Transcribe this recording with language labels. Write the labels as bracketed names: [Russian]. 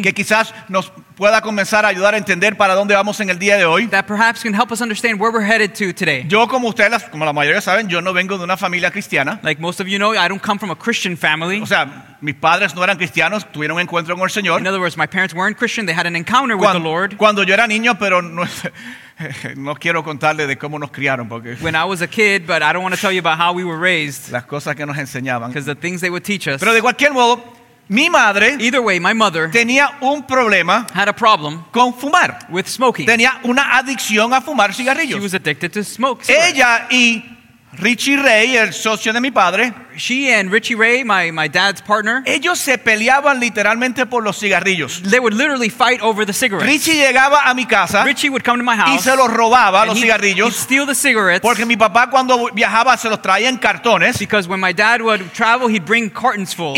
[Spanish] Que quizás nos pueda comenzar a ayudar a entender para dónde vamos en el día de hoy. [English] That perhaps can help us understand where we're headed to today. [Spanish] Yo como la mayoría saben, yo no vengo de una familia cristiana. [English] Like most of you know, I don't come from a Christian family. [Spanish] O sea, mis padres no eran cristianos, tuvieron un encuentro con el Señor. [English] In other words, my parents weren't Christian, they had an encounter with the Lord. [Spanish] Cuando yo era niño, pero no no quiero contarle de cómo nos criaron porque [English] when I was a kid, but I don't want to tell you about how we were raised. [Spanish] Las cosas que nos enseñaban. [English] Because the things they would teach us. [Spanish] Pero de cualquier modo, mi madre, [English] either way, my mother [Spanish] tenía un problema, [English] had a problem [Spanish] con fumar, [English] with smoking. [Spanish] Tenía una adicción a fumar cigarrillos. [English] She was addicted to smoke. [Spanish] Ella y Richie Ray, el socio de mi padre, [English] she and Richie Ray, my dad's partner, [Spanish] ellos se peleaban literalmente por los cigarrillos. [English] They would literally fight over the cigarettes. [Spanish] Richie llegaba a mi casa, [English] Richie would come to my house, [Spanish] y se los robaba los cigarrillos. [English] He'd steal the cigarettes, [Spanish] porque mi papá cuando viajaba se los traía en cartones. [English] Because when my dad would travel, he'd bring cartons full.